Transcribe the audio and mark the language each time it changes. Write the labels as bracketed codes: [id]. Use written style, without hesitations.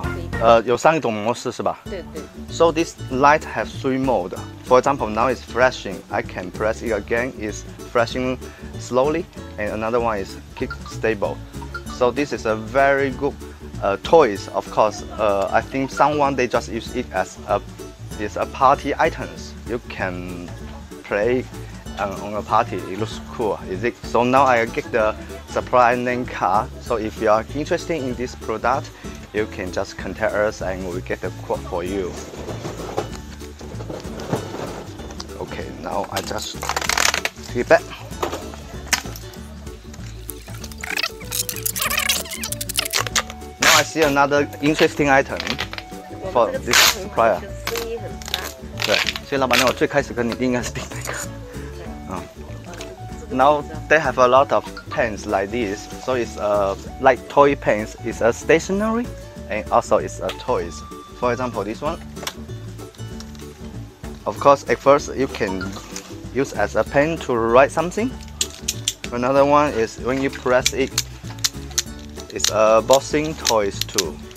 [zh] 哎，老板，能拿个名片给我一下？这是有三种方式的是吗？对对。OK。有三种模式是吧？对对。So [en] this light has three mode. For example, now it's flashing. I can press it again. It's flashing slowly, and another one is keep stable. So this is a very good toys, of course. I think someone they just use it as a party items. You can play on a party. It looks cool, is it? So now I get the supply name card. So if you are interested in this product, you can just contact us and we get the quote for you. Okay, now I just take it back. I see another interesting item for this supplier. [zh] 对，所以老板，那我最开始跟你应该是订那个。嗯。 [en] Now they have a lot of pens like this, so it's a like toy pens. It's a stationery, and also it's a toys. For example, this one. Of course, at first you can use as a pen to write something. Another one is when you press it, it's a boxing toys too.